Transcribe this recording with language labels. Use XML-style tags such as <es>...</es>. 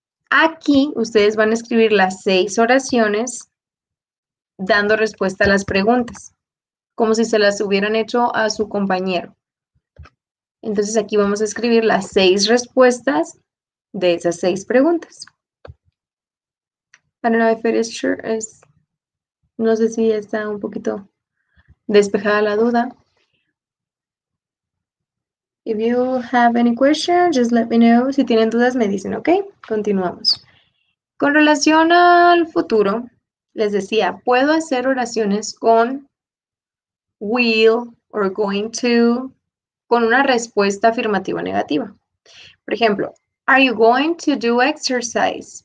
<es>Aquí ustedes van a escribir las 6 oraciones dando respuesta a las preguntas, como si se las hubieran hecho a su compañero. Entonces aquí vamos a escribir las 6 respuestas de esas 6 preguntas.</es> <en>I don't know if it is sure.</en> <es>No sé si está un poquito despejada la duda.</es> <en>If you have any questions, just let me know.</en> <es>Si tienen dudas, me dicen, ¿ok? Continuamos. Con relación al futuro, les decía, puedo hacer oraciones con will or going to, con una respuesta afirmativa o negativa. Por ejemplo,</es> <en>are you going to do exercise?</en>